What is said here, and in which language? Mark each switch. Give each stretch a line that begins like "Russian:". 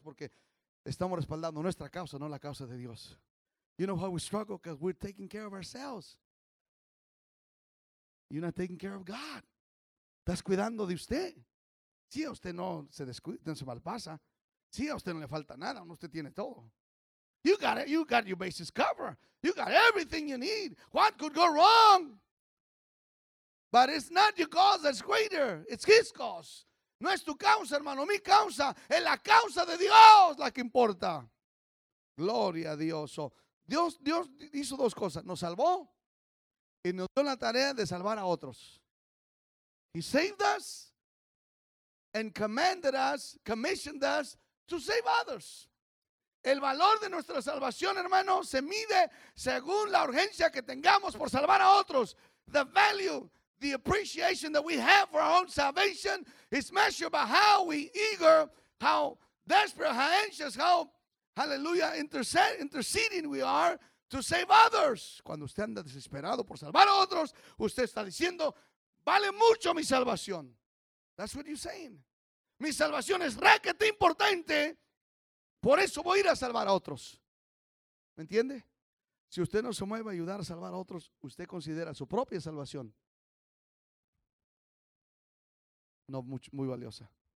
Spanish: Porque estamos respaldando nuestra causa, no la causa de Dios.
English: You know why we struggle? Because we're taking care of ourselves. You're not taking care of God.
Spanish: Estás cuidando de usted. Sí, a usted no se descuida, no se malpasa. Sí, a usted no le falta nada, no usted tiene todo.
English: You got it. You got your bases covered. You got everything you need. What could go wrong? But it's not your cause that's greater. It's His cause.
Spanish: No es tu causa, hermano. Mi causa es la causa de Dios la que importa. Gloria a Dios. Oh, Dios hizo dos cosas. Nos salvó y nos dio la tarea de salvar a otros.
English: He saved us and commanded us, commissioned us to save others.
Spanish: El valor de nuestra salvación, hermano, se mide según la urgencia que tengamos por salvar a otros.
English: The value, the appreciation that we have for our own salvation is measured by how we eager, how desperate, how anxious, how, hallelujah, interceding we are to save others.
Spanish: Cuando usted anda desesperado por salvar a otros, usted está diciendo, vale mucho mi salvación.
English: That's what you're saying.
Spanish: Mi salvación es requete importante, por eso voy a ir a salvar a otros. ¿Me entiende? Si usted no se mueve a ayudar a salvar a otros, usted considera su propia salvación no muy, muy valiosa.